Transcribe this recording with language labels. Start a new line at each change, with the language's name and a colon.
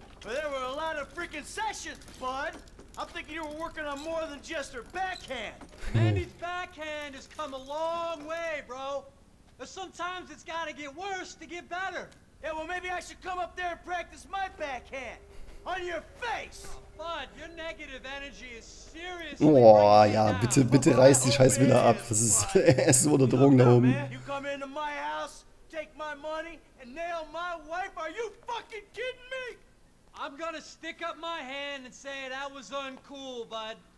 English: Well, there were a lot of freaking sessions, bud. I'm thinking you were working on more than just her backhand. Mandy's backhand has come a long way, bro. But sometimes it's gotta get worse to get better. Yeah, well, maybe I should come up there and practice my backhand. On your face! Oh, bud, your negative energy is serious.
German: Oh, ja, bitte, bitte reiß die Scheiß wieder ab. Das ist, es ist unter Drogen da oben.
English: You come into my house, take my money, and nail my wife? Are you fucking kidding me? I'm gonna stick up my hand and say that was uncool, bud.